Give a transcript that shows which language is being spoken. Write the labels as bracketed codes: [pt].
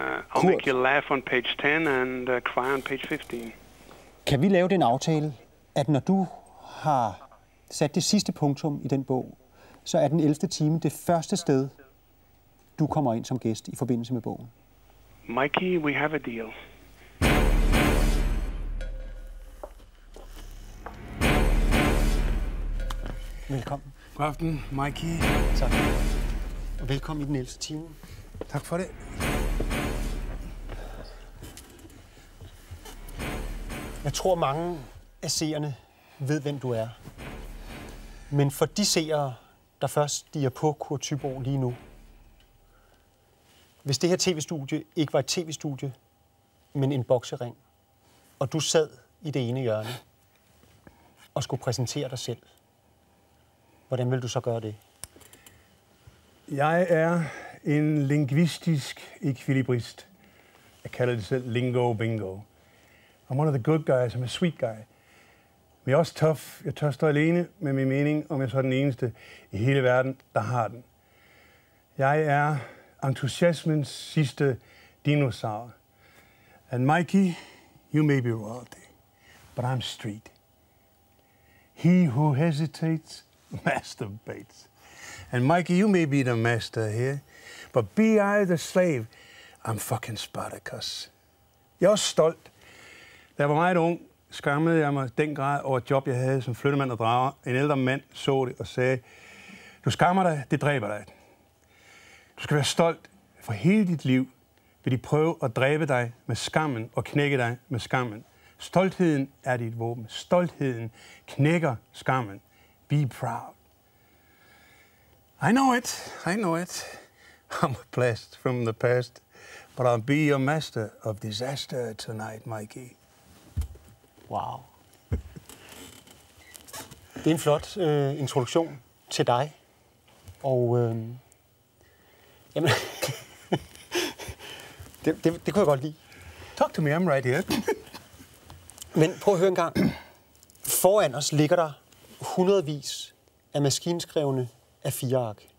[en] I'll make you laugh on page 10 and cry on page 15. [da] Kan vi lave den aftale, at når du har sat det sidste punktum i den bog, så er den 11. time det første sted, du kommer ind som gæst i forbindelse med bogen? [en] Mikey, we have a deal. [da] Velkommen. God aften, Mikey. Tak. Og velkommen i den 11. time. Tak for det. Jeg tror, mange af seerne ved, hvem du er. Men for de seere, der først stiger på Kurt Thybo lige nu, hvis det her tv-studie ikke var et tv-studie, men en boksering, og du sad i det ene hjørne og skulle præsentere dig selv, hvordan vil du så gøre det? Jeg er en linguistisk ekvilibrist. Jeg kalder det selv lingo bingo. [en] I'm one of the good guys. I'm a sweet guy. [da] Men jeg er også tough. Jeg tør stå alene med min mening, om jeg så er den eneste i hele verden, der har den. Jeg er entusiasmens sidste dinosaur. [en] And Mikey, you may be royalty, but I'm street. He who hesitates, masturbates. And Mikey, you may be the master here, but be I the slave, I'm fucking Spartacus. [da] Jeg er også stolt. Da jeg var meget ung, skammede jeg mig den grad over et job, jeg havde som flyttemand og drager. En ældre mand så det og sagde, du skammer dig, det dræber dig. Du skal være stolt, for hele dit liv vil de prøve at dræbe dig med skammen og knække dig med skammen. Stoltheden er dit våben. Stoltheden knækker skammen. [en] Be proud. I know it. I'm a blast from the past, but I'll be your master of disaster tonight, Mikey. Wow. [da] Det er en flot introduktion til dig. Og jamen, det kunne jeg godt lide. [en] Talk to me, I'm right here. [da] Men prøv at høre en gang. Foran os ligger der hundredvis af maskinskrevne A4-ark.